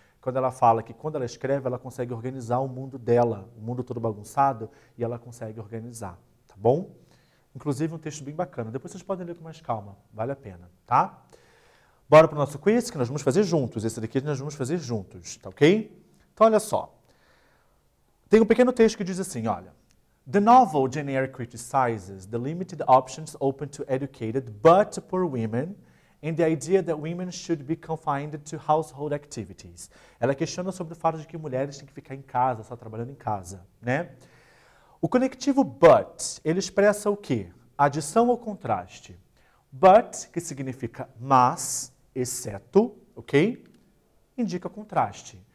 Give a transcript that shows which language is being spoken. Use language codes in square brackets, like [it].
[pt] Quando ela fala que quando ela escreve, ela consegue organizar o mundo dela, o mundo todo bagunçado, e ela consegue organizar, tá bom? Inclusive, um texto bem bacana. Depois vocês podem ler com mais calma, vale a pena, tá? Bora para o nosso quiz, que nós vamos fazer juntos. Esse daqui nós vamos fazer juntos, tá ok? Então, olha só. Tem um pequeno texto que diz assim, olha. [en] The novel generic criticizes the limited options open to educated but poor women and the idea that women should be confined to household activities. [pt] Ela questiona sobre o fato de que mulheres têm que ficar em casa, só trabalhando em casa, né? O conectivo but, ele expressa o quê? Adição ou contraste? But, que significa mas, exceto, ok? Indica contraste.